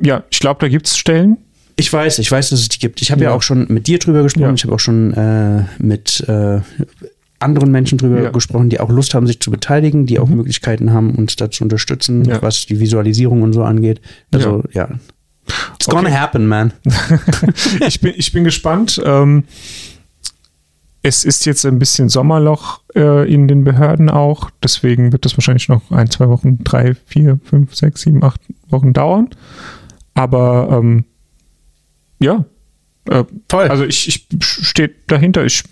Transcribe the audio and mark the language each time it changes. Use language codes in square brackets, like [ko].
[de] Ich glaube, da gibt es Stellen. Ich weiß, dass es die gibt. Ich habe ja auch schon mit dir drüber gesprochen, ich habe auch schon mit anderen Menschen drüber gesprochen, die auch Lust haben, sich zu beteiligen, die auch Möglichkeiten haben, uns da zu unterstützen, was die Visualisierung und so angeht. [en] Also, It's gonna happen, man. [de] ich bin gespannt. Es ist jetzt ein bisschen Sommerloch in den Behörden auch. Deswegen wird das wahrscheinlich noch 1-2 Wochen, 3-4-5-6-7-8 Wochen dauern. Aber toll. Also ich stehe dahinter.